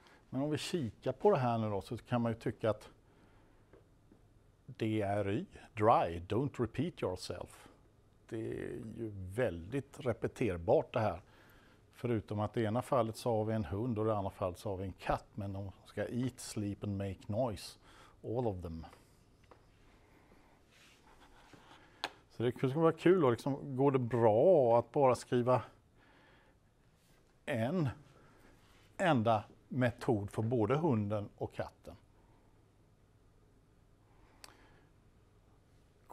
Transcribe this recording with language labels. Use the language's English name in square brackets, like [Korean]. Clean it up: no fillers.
[Swedish] Men om vi kikar på det här nu då så kan man ju tycka att [English] DRY, dry, don't repeat yourself. [Swedish] Det är ju väldigt repeterbart det här. Förutom att i ena fallet så har vi en hund och i andra fallet så har vi en katt. Men de ska [English] eat, sleep and make noise. All of them. [Swedish] Så det skulle vara kul och liksom, går det bra att bara skriva en enda metod för både hunden och katten? K